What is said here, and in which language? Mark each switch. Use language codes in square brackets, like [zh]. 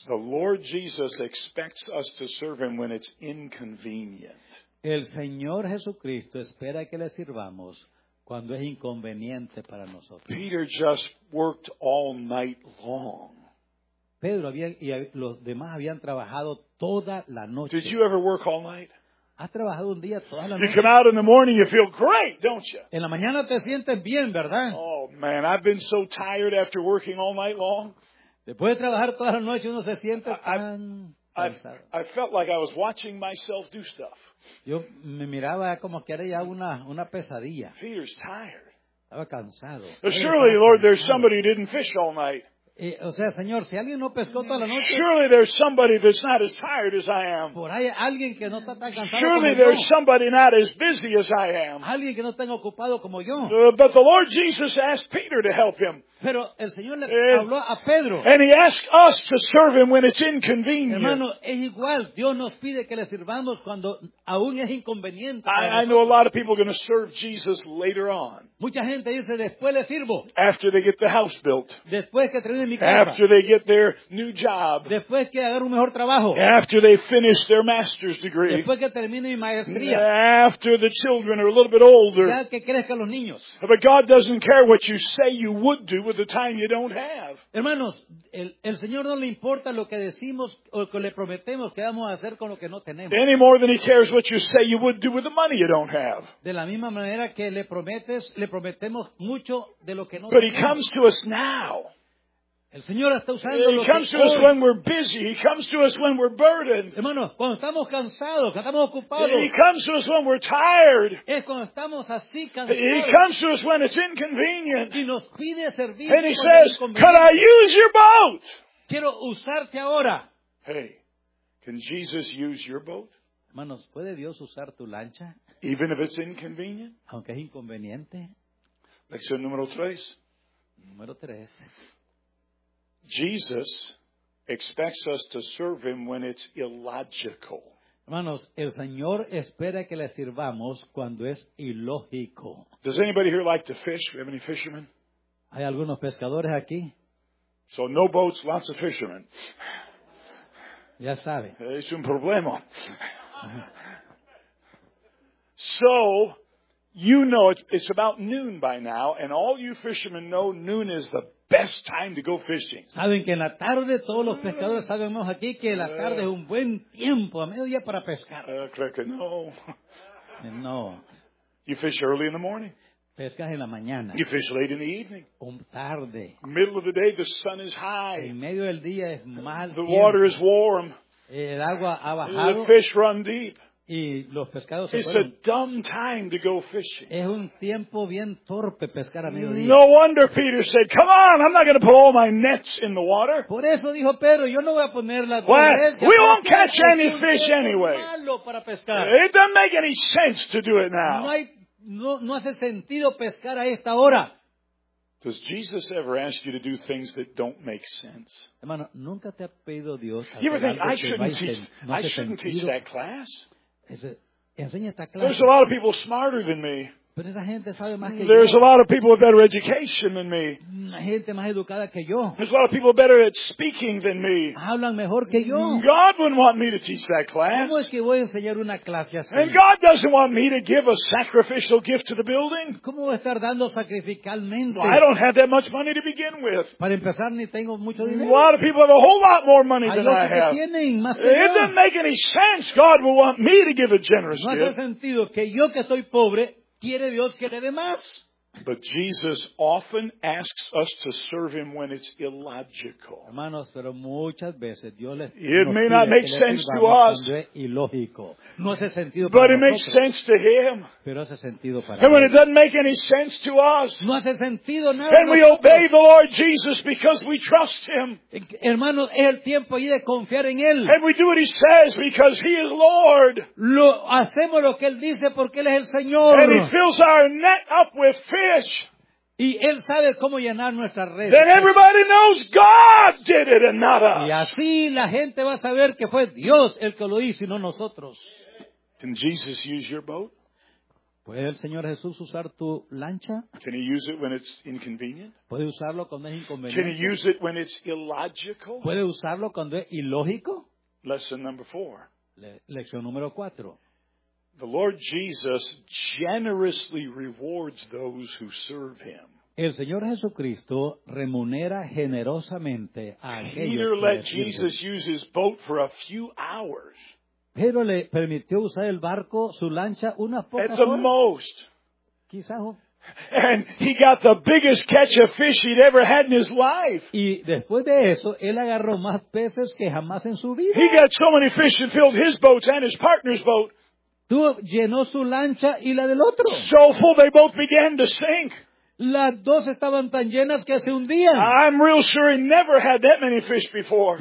[en] The Lord Jesus expects us to serve him when it's inconvenient. [es] El Señor Jesucristo espera que le sirvamos cuando es inconveniente para nosotros. [en] Peter just worked all night long. [es] Pedro había y los demás habían trabajado toda la noche. [en] Did you ever work all night? [es] ¿Has trabajado un día toda la noche? [en] You come out in the morning, you feel great, don't you? [es] En la mañana te sientes bien, ¿verdad? [en] Oh man, I've been so tired after working all night long. [es] Después de trabajar toda la noche uno se siente tan cansado. [en] I felt like I was watching myself do stuff. [es] Yo me miraba como que era ya una pesadilla. [en] Peter's tired. [es] Estaba cansado. [en] Surely, Lord, there's somebody who didn't fish all night. [es] O sea, Señor, si alguien no pescó toda la noche. [en] Surely there's somebody that's not as tired as I am. [es] Por ahí alguien que no está tan cansado. [en] Surely [es] como [en] there's [es] yo. [en] Somebody not as busy as I am. [es] Alguien que no está ocupado como yo. [en] But the Lord Jesus asked Peter to help him. [es] Pero el Señor le habló a Pedro. [en] And he asked us to serve him when it's inconvenient. [es] Hermano, es igual. Dios nos pide que le sirvamos cuando aún es inconveniente. [en] I know a lot of people are going to serve Jesus later on. [es] Mucha gente dice, después le sirvo. [en] After they get the house built. [es] Después que termine mi casa. [en] After they get their new job. [es] Después que agarre un mejor trabajo. [en] After they finish their master's degree. [es] Después que termine mi maestría. [en] After the children are a little bit older. [es] Ya que crezcan los niños. [en] But God doesn't care what you say you would do with the time you don't have. [es] Hermanos, el Señor no le importa lo que decimos o que le prometemos que vamos a hacer con lo que no tenemos. [en] Any more than he cares what you say you would do with the money you don't have. [es] De la misma manera que le prometemos mucho de lo que no tenemos. [en] But he comes to us now. [es] El Señor está usando [en] He comes to us when we're busy. He comes to us when we're burdened. [es] Hermanos, cuando estamos cansados, cuando estamos ocupados. [en] He comes to us when we're tired. [es] Es cuando estamos así cansados. [en] He comes to us when it's inconvenient. [es] Y nos pide servir. [en] And he says, "Can I use your boat?" [es] Quiero usarte ahora. [en] Hey, can Jesus use your boat? [es] Hermanos, ¿puede Dios usar tu lancha? [en] Even if it's inconvenient. [es] Aunque es inconveniente. Lección número tres. Número tres. [en] Jesus expects us to serve him when it's illogical. [es] Hermanos, el Señor espera que le sirvamos cuando es ilógico. [en] Does anybody here like to fish? We have any fishermen? [es] ¿Hay algunos pescadores aquí? [en] So no boats, lots of fishermen. [es] Ya sabe. Es un problema. [en] So you know it's about noon by now, and all you fishermen know noon is the best time to go fishing. [es] Saben que en la tarde todos los pescadores sabemos aquí que la tarde es un buen tiempo, a mediodía para pescar. Creo que no. No. [en] You fish early in the morning. [es] Pescas en la mañana. [en] You fish late in the evening. [es] Un tarde. [en] Middle of the day, the sun is high. [es] En medio del día es mal. [en] The water is warm. [es] El agua ha bajado. [en] The fish run deep. [es] Y los pescados [en] It's [es] se fueron. [en] A dumb time to go fishing. [es] Es un tiempo bien torpe pescar a mediodía. [en] No wonder Peter said, "Come on, I'm not going to put all my nets in the water." [es] Por eso dijo Pedro, yo no voy a poner la red. [en] We won't catch any fish anyway. [es] Malo para pescar. [en] It doesn't make any sense to do it now. [es] No hace sentido pescar a esta hora. [en] Does Jesus ever ask you to do things that don't make sense? [es] Hermano, nunca te ha pedido Dios hacer algo que no hace sentido. [en] I shouldn't teach that class. [es] Enseña esta clase. [en] There's a lot of people smarter than me. [es] Pero esa gente sabe más que [en] There's [es] yo. [en] A lot of people with better education than me. [es] Gente más educada que yo. [en] There's a lot of people better at speaking than me. [es] Hablan mejor que yo. [en] God wouldn't want me to teach that class. [es] ¿Cómo es que voy a enseñar una clase así? [en] And God doesn't want me to give a sacrificial gift to the building. [es] ¿Cómo voy a estar dando sacrificialmente? [en] Well, I don't have that much money to begin with. [es] Para empezar, ni tengo mucho dinero. [en] A lot of people have a whole lot more money than [es] que [en] I have. [es] Tienen más [en] It [es] señor. [en] Doesn't make any sense God would want me to give a generous gift. [es] No hace sentido que yo que estoy pobre quiere Dios que le dé más. [en] But Jesus often asks us to serve him when it's illogical. [es] Hermanos, pero muchas veces Dios le [en] It may not make sense to us. [es] No hace sentido para nosotros. [en] But it makes sense to him. [es] Pero hace sentido para [en] And when it doesn't make any sense to us. [es] No hace sentido nada. [en] Then we obey the Lord Jesus because we trust him. [es] Hermanos, es el tiempo ahí de confiar en él. [en] And we do what he says because he is Lord. [es] Lo hacemos lo que él dice porque él es el Señor. [en] And he fills our net up with fish. [es] Y él sabe cómo llenar nuestras redes. [en] Then everybody knows God did it and not us. [es] Y así la gente va a saber que fue Dios el que lo hizo y no nosotros. [en] Can Jesus use your boat? [es] ¿Puede el Señor Jesús usar tu lancha? [en] Can he use it when it's inconvenient? [es] ¿Puede usarlo cuando es inconveniente? [en] Can he use it when it's illogical? [es] ¿Puede usarlo cuando es ilógico? [en] Lesson number four. [es] Lección número cuatro. [en] The Lord Jesus generously rewards those who serve him. [es] El Señor Jesucristo remunera generosamente a aquellos [en] Peter let Jesus use his boat for a few hours. [es] Pedro le permitió usar el barco, su lancha, unas pocas [en] At the [es] horas. [en] Most. [es] Quizás. [en] And he got the biggest catch of fish he'd ever had in his life. [es] Y después de eso, él agarró más peces que jamás en su vida. [en] He got so many fish and filled his boats and his partner's boat. [es] Llenó su lancha y la del otro. [en] So full they both began to sink. [es] Las dos estaban tan llenas que se hundían. [en] I'm real sure he never had that many fish before.